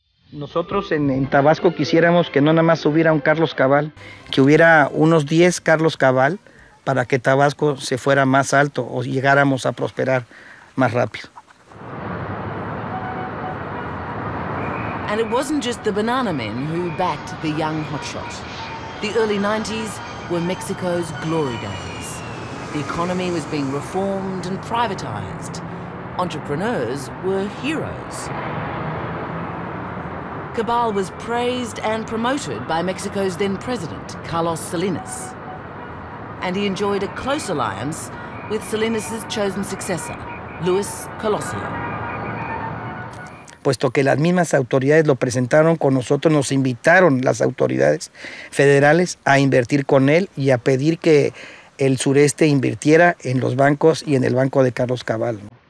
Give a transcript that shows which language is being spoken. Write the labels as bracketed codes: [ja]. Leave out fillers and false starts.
[es] Nosotros en Tabasco quisiéramos que no nada más hubiera un Carlos Cabal, que hubiera unos 10 Carlos Cabal para que Tabasco se fuera más alto o llegáramos a prosperar más rápido. [en] And it wasn't just the banana men who backed the young hotshot. The early 90s were Mexico's glory days. The economy was being reformed and privatized. Entrepreneurs were heroes. Cabal was praised and promoted by Mexico's then president, Carlos Salinas. And he enjoyed a close alliance with Salinas's chosen successor, Luis Colosio. [es] Puesto que las mismas autoridades lo presentaron con nosotros, nos invitaron las autoridades federales a invertir con él y a pedir que el sureste invirtiera en los bancos y en el banco de Carlos Cabal.